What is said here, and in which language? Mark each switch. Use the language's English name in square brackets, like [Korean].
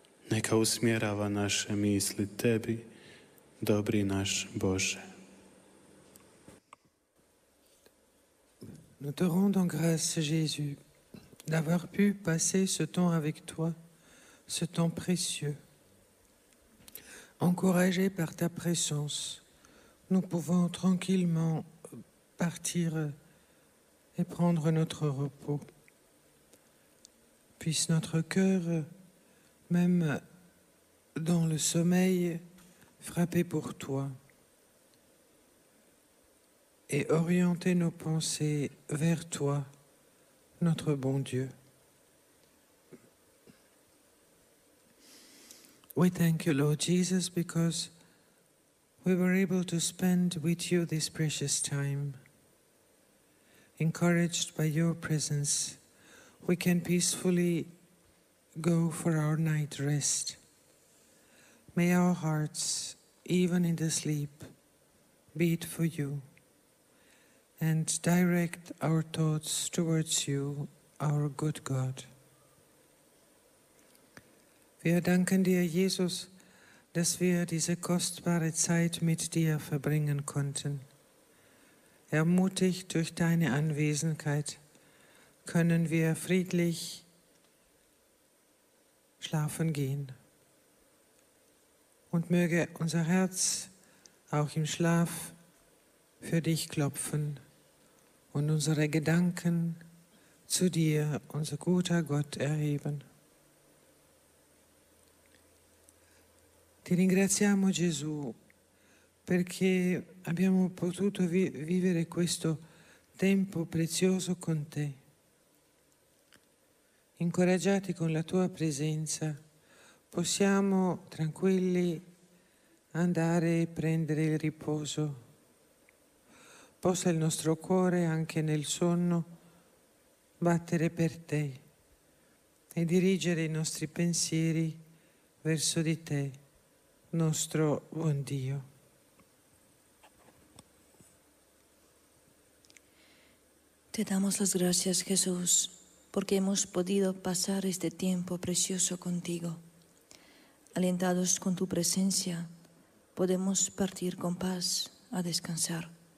[Croatian] Neka usmjerava naše misli tebi, dobri naš Bože. [French] Nous te rendons grâce, Jésus, d'avoir pu passer ce temps avec toi, ce temps précieux. Encouragés par ta présence, nous pouvons tranquillement partir et prendre notre repos. Puisse notre cœur, même dans le sommeil, frapper pour toi. Et orienter nos pensées vers toi, notre bon Dieu. [English] We thank you, Lord Jesus, because we were able to spend with you this precious time. Encouraged by your presence, we can peacefully go for our night rest. May our hearts, even in the sleep, beat for you and direct our thoughts towards you, our good God. [German] Wir danken dir, Jesus, dass wir diese kostbare Zeit mit dir verbringen konnten. Ermutigt durch deine Anwesenheit können wir friedlich schlafen gehen. Und möge unser Herz auch im Schlaf für dich klopfen und unsere Gedanken zu dir, unser guter Gott, erheben. [Italian] Ti ringraziamo Gesù perché abbiamo potuto vivere questo tempo prezioso con te. Incoraggiati con la tua presenza, possiamo tranquilli andare e prendere il riposo. Possa il nostro cuore anche nel sonno battere per te e dirigere i nostri pensieri verso di te, nostro buon Dio. [Spanish] Te damos las gracias, Jesús, porque hemos podido pasar este tiempo precioso contigo. Alentados con tu presencia, podemos partir con paz a descansar.